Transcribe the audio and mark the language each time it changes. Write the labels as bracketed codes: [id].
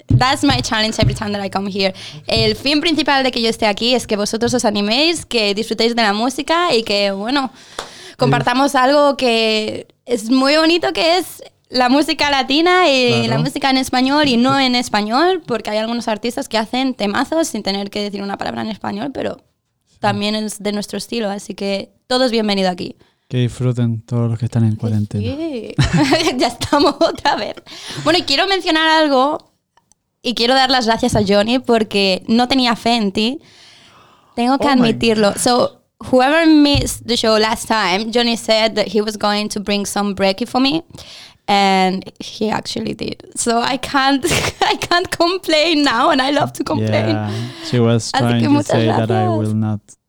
[en] That's my challenge every time that I come here. [es] El fin principal de que yo esté aquí es que vosotros os animéis, que disfrutéis de la música y que, bueno, compartamos algo que es muy bonito, que es la música latina y claro, la música en español y no en español, porque hay algunos artistas que hacen temazos sin tener que decir una palabra en español, pero también es de nuestro estilo, así que todos bienvenidos aquí. Que disfruten todos los que están en cuarentena. Sí. Ya estamos otra vez. Bueno, y quiero mencionar algo y quiero dar las gracias a Jhonny porque no tenía fe en ti. Tengo que admitirlo. [en] So, whoever missed the show last time, Jhonny said that he was going to bring some brekkie for me and he actually did. So, I can't complain now and I love to complain. Yeah, she was trying to say that I will not.